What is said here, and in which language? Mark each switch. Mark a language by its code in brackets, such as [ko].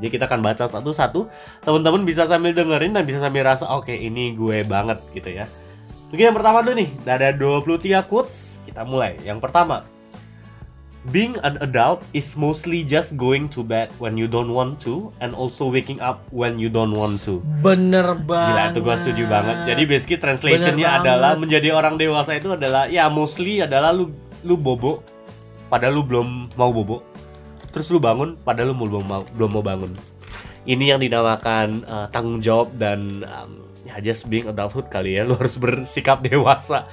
[id] Jadi kita akan baca satu-satu. Teman-teman bisa sambil dengerin dan bisa sambil rasa, oke, ini gue banget gitu ya. Mungkin yang pertama dulu nih, ada 23 quotes. Kita mulai. Yang pertama, [en] being an adult is mostly just going to bed when you don't want to and also waking up when you don't want to. [id] Bener banget. Gila, itu gue setuju banget. Jadi basically translation-nya adalah menjadi orang dewasa itu adalah ya mostly adalah lu bobo padahal lu belum mau bobo. Terus lu bangun, padahal lu belum mau bangun. Ini yang dinamakan tanggung jawab dan [en] just being adulthood [id] kali ya. Lu harus bersikap dewasa.